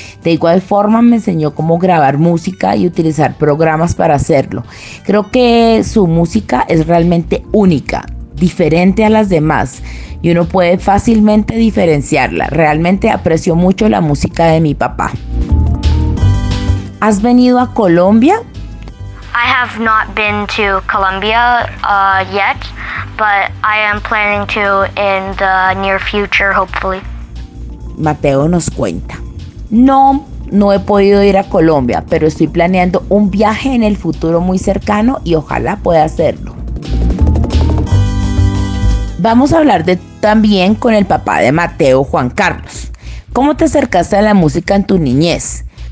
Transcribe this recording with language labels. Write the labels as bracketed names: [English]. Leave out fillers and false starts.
[Spanish] De igual forma, me enseñó cómo grabar música y utilizar programas para hacerlo. Creo que su música es realmente única, diferente a las demás, y uno puede fácilmente diferenciarla. Realmente aprecio mucho la música de mi papá. ¿Has venido a Colombia? [English] I have not been to Colombia yet, but I am planning to in the near future, hopefully. [Spanish] Mateo nos cuenta. No he podido ir a Colombia, pero estoy planeando un viaje en el futuro muy cercano y ojalá pueda hacerlo. Vamos a hablar también con el papá de Mateo, Juan Carlos. ¿Cómo te acercaste a la música en tu niñez?